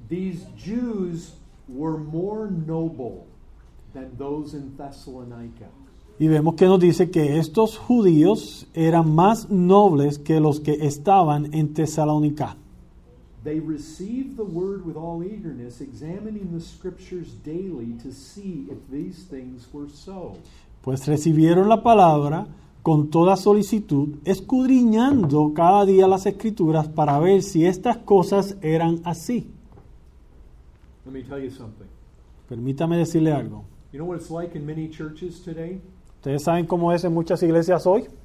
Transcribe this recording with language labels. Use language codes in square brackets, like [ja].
[en] These Jews were more noble than those in Thessalonica. [es] Y vemos que nos dice que estos judíos eran más nobles que los que estaban en Tesalónica. [en] They received the word with all eagerness, examining the scriptures daily to see if these things were so. [es] Pues recibieron la palabra con toda solicitud, escudriñando cada día las escrituras para ver si estas cosas eran así. [en] Let me tell you something. [es] Permítame decirle algo. [en] You know what it's like in many churches today? [es] ¿Ustedes saben cómo es en muchas iglesias hoy?